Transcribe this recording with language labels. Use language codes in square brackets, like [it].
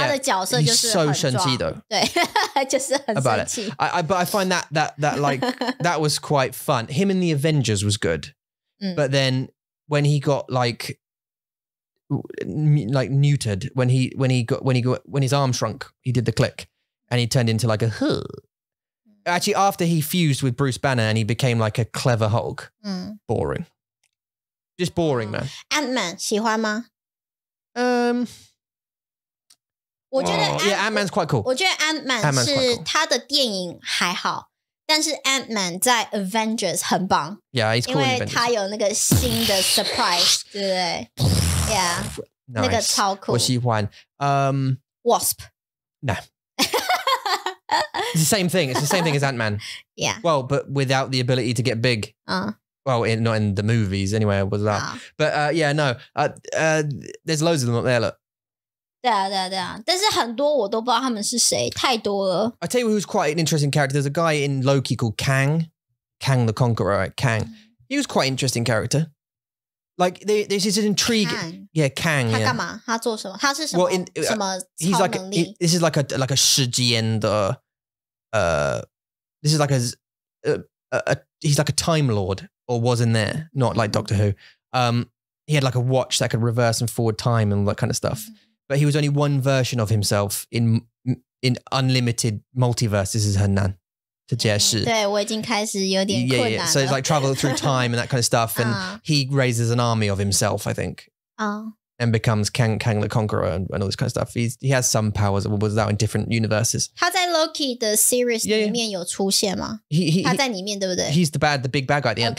[zh] 他的角色就是很壮。对，就是很生气。 [en] But I find that like that was quite fun. Him in the Avengers was good. But then when he got like neutered when his arm shrunk, he did the click and he turned into like a huh. Actually, after he fused with Bruce Banner and he became like a clever Hulk, boring, just boring, man. [zh] Ant-Man, 喜欢吗? [en] Ant-Man's quite cool. [zh] 我觉得 Ant-Man是他的电影还好。但是 Ant-Man 在 Avengers 很棒 [en] Yeah, he's cool in Avengers [zh] 因为他有那个新的 surprise 对不对 Yeah [en] nice. [zh] 那个超酷我喜欢 [en] Wasp No It's the same thing as Ant-Man Yeah Well, but without the ability to get big Well, not in the movies anyway was that? But yeah, no there's loads of them up there, look [zh] 对啊，但是很多我都不知道他们是谁，太多了。I [en] tell you who's quite an interesting character. There's a guy in Loki called Kang the Conqueror. Right? Kang, he was quite an interesting character. Like, this is an intrigue. Kang. Yeah, Kang. Yeah. [zh] 他干嘛?他做什么?他是什么? [en] Well, this is like a [zh] 时间的, [en] this is like a he's like a time lord, or was in there, not like Doctor Who. He had like a watch that could reverse and forward time and all that kind of stuff. Mm-hmm. But he was only one version of himself in unlimited multiverses, is Hernan. [zh] 对,我已经开始有点困难了。 [en] Yeah, yeah. So it's like travel through time and that kind of stuff. And he raises an army of himself, I think. Oh. And becomes Kang the Conqueror and all this kind of stuff. He has some powers, what was that, in different universes. [zh] 他在Loki的 series里面有出现吗? [en] Yeah, yeah. [zh] 他在里面对不对? [en] He's the bad, the big bad guy at the end.